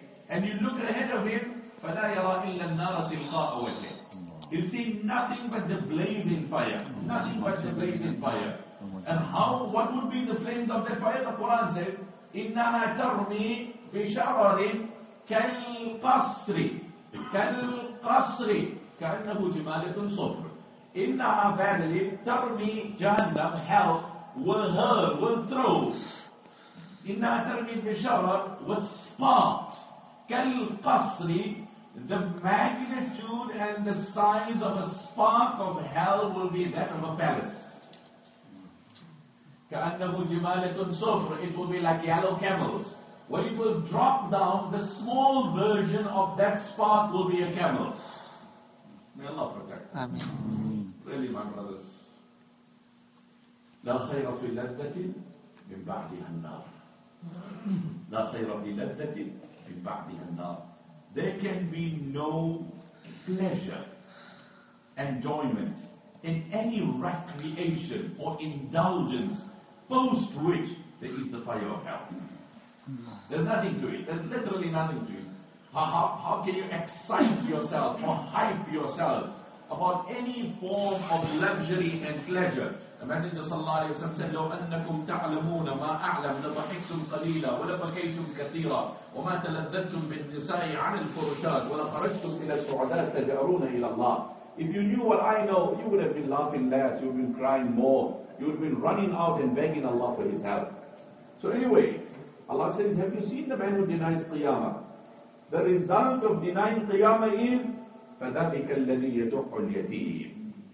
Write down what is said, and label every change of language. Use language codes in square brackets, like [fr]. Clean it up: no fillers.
[en] And you look ahead of him, [ar] فَلَا يَرَى إِلَّا النَّارَ تِلْقَاءَ وَجْهِ. [en] You'll see nothing but the blazing fire. Nothing but the blazing fire. And how, what would be the flames of that fire? The Quran says, [ar] إِنَّهَا تَرْمِي بِشَرَرٍ كَالْقَصْرِ كَالْقَصْرِ كَأَنَّهُ جِمَالَةٌ صُفْرٌ. إِنَّهَا فَعْلِي تَرْمِي جَهَنَّمْ [en] hell will hurl, will throw. [ar] إِنَّهَا تَرْمِي بِشَرَرٍ [en] will spark. [ar] كَالْقَصْرِ, [en] the magnitude and the size of a spark of hell will be that of a palace. [ar] كَأَنَّهُ جِمَالَةٌ صُفْرٌ, [en] it will be like yellow camels. When it will drop down, the small version of that spark will be a camel. May Allah protect. Amen. Really, my brothers. [ar] لَا خَيْرَ فِي لَذَّةٍ مِنْ بَعْدِهَا النَّارِ. لَا خَيْرَ فِي لَذَّةٍ مِنْ بَعْدِهَا النَّارِ. [en] There can be no pleasure, enjoyment in any recreation or indulgence post which there is the fire of hell. There's nothing to it. There's literally nothing to it. How can you excite yourself or hype yourself about any form of luxury and pleasure? The Messenger sallallahu alayhi wa sallam said, [ar] لَوْ أَنَّكُمْ تَعْلَمُونَ مَا أَعْلَمْ لَضَحِكْتُمْ قَلِيلًا وَلَبَكَيْتُمْ كَثِيرًا وَمَا تَلَذَّتُمْ بِالنِّسَاءِ عَنِ الْفُرُشَاتِ وَلَخَرَجْتُمْ إِلَى السُّعَدَاءِ تَجْأَرُونَ إِلَى اللَّهِ. [en] If you knew what I know, you would have been laughing less, you would have been crying more, you would have been running out and begging Allah for His help. So anyway, Allah says, have you seen the man who denies Qiyamah? The result of denying Qiyamah is, [ar] فَذَلِكَ الَّذِي يَدُعُّ الْيَتِيمِ.